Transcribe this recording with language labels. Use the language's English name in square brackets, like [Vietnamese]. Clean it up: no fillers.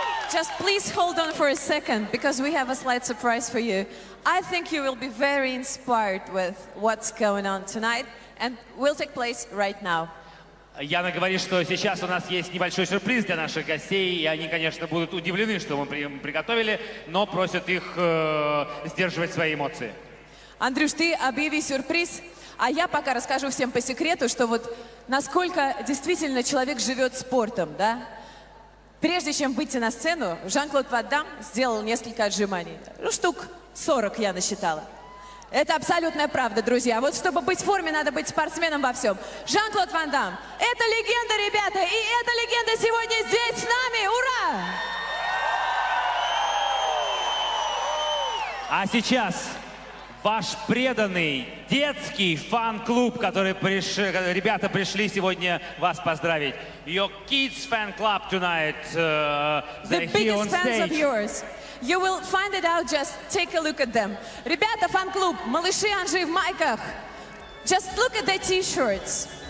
[English] Just please hold on for a second, because we have a slight surprise for you. I think you will be very inspired with what's going on tonight. And will take place right now. [Russian] Яна говорит, что сейчас у нас есть небольшой сюрприз для наших гостей, и они, конечно, будут удивлены, что мы им приготовили, но просят их сдерживать свои эмоции. Андрюш, ты объяви сюрприз, а я пока расскажу всем по секрету, что вот насколько действительно человек живет спортом, да? Прежде чем выйти на сцену, Жан-Клод Ван Дамм сделал несколько отжиманий. Ну, штук 40 я насчитала. Это абсолютная правда, друзья. Вот чтобы быть в форме, надо быть спортсменом во всем. Жан-Клод Ван Дамм. Это легенда, ребята. И эта легенда сегодня здесь с нами. Ура! А сейчас ваш преданный детский фан-клуб, который ребята пришли сегодня вас поздравить. [English] Your kids fan club tonight. The biggest fans of yours. You will find it out, just take a look at them. [Russian] Ребята, фан-клуб, малыши Анжи в майках. [English] Just look at their t-shirts.